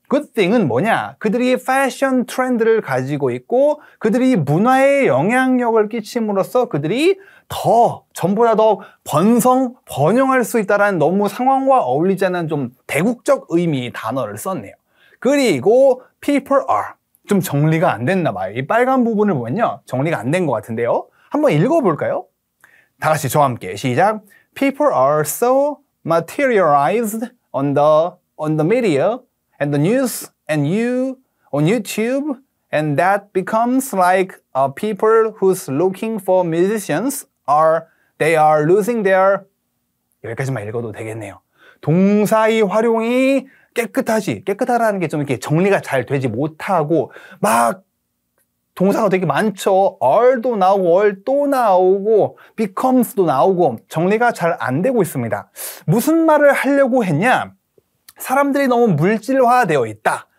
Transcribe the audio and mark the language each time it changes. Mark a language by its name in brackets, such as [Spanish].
[English] good thing [Korean] 은 뭐냐? 그들이 fashion 트렌드를 가지고 있고 그들이 문화에 영향력을 끼침으로써 그들이 더, 전보다 더 번성, 번영할 수 있다는 너무 상황과 어울리지 않는 좀 대국적 의미의 단어를 썼네요. 그리고 [English] people are, [Korean] 좀 정리가 안 됐나 봐요. 이 빨간 부분을 보면요. 정리가 안 된 것 같은데요. 한번 읽어볼까요? 다 같이 저와 함께 시작. [English] People are so materialized on the media and the news and you on YouTube and that becomes like a people who's looking for musicians are they are losing their [Korean] 여기까지만 읽어도 되겠네요. 동사의 활용이 깨끗하라는 게 좀 이렇게 정리가 잘 되지 못하고 막 동사가 되게 많죠. are도 나오고, all도 나오고, becomes도 나오고, 정리가 잘 안 되고 있습니다. 무슨 말을 하려고 했냐? 사람들이 너무 물질화되어 있다.